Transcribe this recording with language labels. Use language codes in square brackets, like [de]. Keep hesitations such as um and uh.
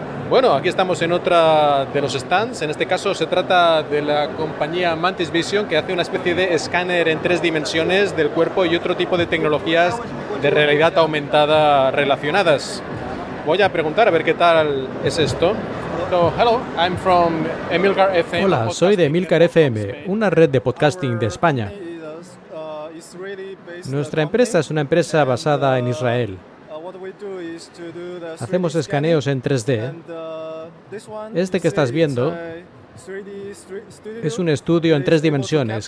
[es] Bueno, aquí estamos en otra de los stands. En este caso se trata de la compañía Mantis Vision que hace una especie de escáner en tres dimensiones del cuerpo y otro tipo de tecnologías de realidad aumentada relacionadas. Voy a preguntar a ver qué tal es esto. [en] So, hello, I'm from Emilcar FM. [es] Hola, soy de Emilcar FM, una red de podcasting de España. Nuestra empresa es una empresa basada en Israel. Hacemos escaneos en 3D. Este que estás viendo es un estudio en tres dimensiones.